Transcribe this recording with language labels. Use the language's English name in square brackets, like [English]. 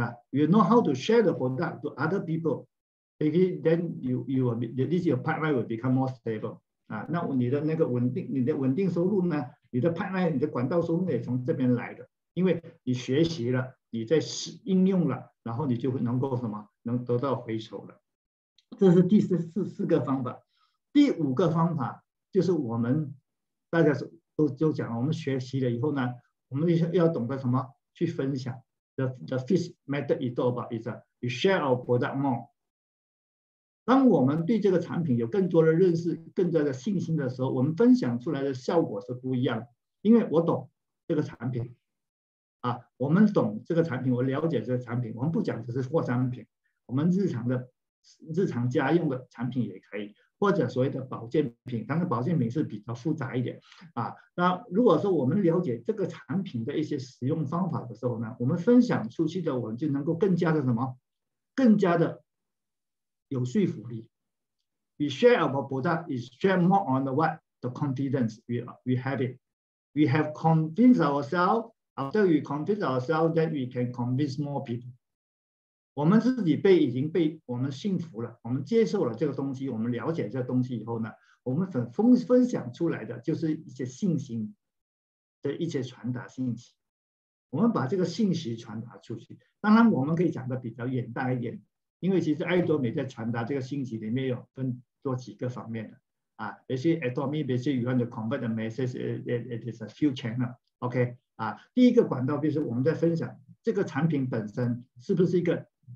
[English] You know how to share the product to other people. Maybe then you will be, this your pipeline will become more stable. [Chinese] 那你的稳定收入呢？你的 pipeline， 你的管道收入也从这边来的。因为你学习了，你在应用了，然后你就能够什么，能得到回酬了。这是第四个方法。第五个方法就是我们大家都讲了，我们学习了以后呢，我们要懂得什么去分享。 [English] The fifth method is all about we share our product more. [Chinese] 当我们对这个产品有更多的认识，更加的信心的时候，我们分享出来的效果是不一样。因为我懂这个产品，我们懂这个产品，我了解这个产品，我们不讲只是副产品，我们日常的家用的产品也可以，或者所谓的保健品，当然保健品是比较复杂一点。如果说我们了解这个产品的一些使用方法的时候呢，我们分享出去的，我们就能够更加的什么，更加的。有说服力。 [English] We share our product is share more on the what? The confidence we have it. We have convinced ourselves. After we convince ourselves, then we can convince more people. [Chinese] 我们自己被已经被我们信服了，我们接受了这个东西，我们了解这个东西以后呢，我们分享出来的就是一些信心的一些传达信息。我们把这个信息传达出去。当然我们可以讲的比较远大一点，因为其实爱多美在传达这个信息里面有分多几个方面的啊，也是 Atomy, 也是 You want to convert the message, it is a few channels, OK,啊，第一个管道就是我们在分享这个产品本身是不是一个